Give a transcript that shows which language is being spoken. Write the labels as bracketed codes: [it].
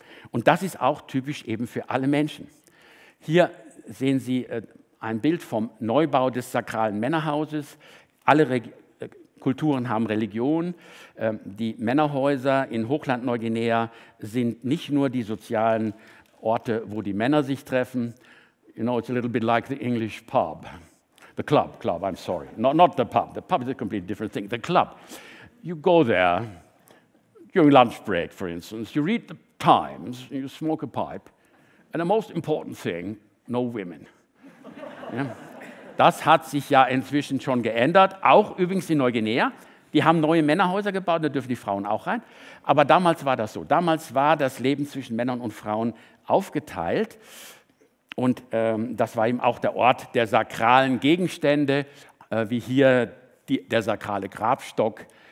[de] Und das ist auch typisch eben für alle Menschen. Hier sehen Sie ein Bild vom Neubau des sakralen Männerhauses. Alle Kulturen haben Religion. Die Männerhäuser in Hochland-Neuguinea sind nicht nur die sozialen Orte, wo die Männer sich treffen. [en] You know, it's a little bit like the English pub. The club, I'm sorry. Not the pub. The pub is a completely different thing. The club. You go there during lunch break, for instance, you read the Times, you smoke a pipe, and the most important thing, no women. Yeah. [de] Das hat sich ja inzwischen schon geändert, auch übrigens in Neuguinea. Die haben neue Männerhäuser gebaut, da dürfen die Frauen auch rein. Aber damals war das so. Damals war das Leben zwischen Männern und Frauen aufgeteilt. Und das war eben auch der Ort der sakralen Gegenstände, wie hier der sakrale Grabstock.